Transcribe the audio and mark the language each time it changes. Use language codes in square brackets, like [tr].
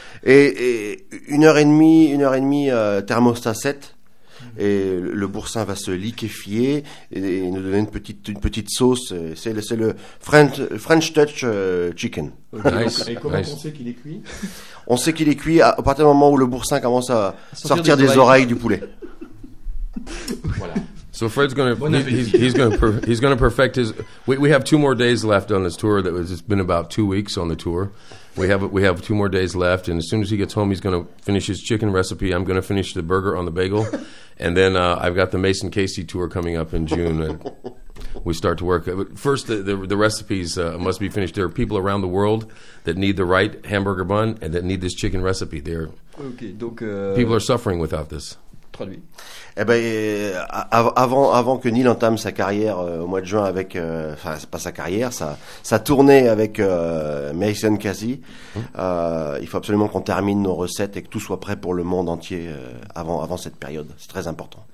[fr] Et une heure et demie thermostat 7, et le boursin va se liquéfier et nous donner une petite sauce. C'est le French Touch Chicken. Nice. Et comment on sait qu'il est cuit? On sait qu'il est cuit à partir du moment où le boursin commence à sortir des oreilles du poulet. Voilà. [en] So Fred's going to perfect his. We have two more days left on this tour. That was, it's been about 2 weeks on the tour. We have two more days left, and as soon as he gets home, he's going to finish his chicken recipe. I'm going to finish the burger on the bagel, and then I've got the Mason Casey tour coming up in June. And we start to work. First, the recipes must be finished. There are people around the world that need the right hamburger bun and that need this chicken recipe. They're [fr] okay. Donc, [en] people are suffering without this. [fr] Traduit. Eh ben, avant que Neil entame sa carrière au mois de juin avec, enfin c'est pas sa carrière, sa tournée avec Mason Casey, il faut absolument qu'on termine nos recettes et que tout soit prêt pour le monde entier avant cette période. C'est très important.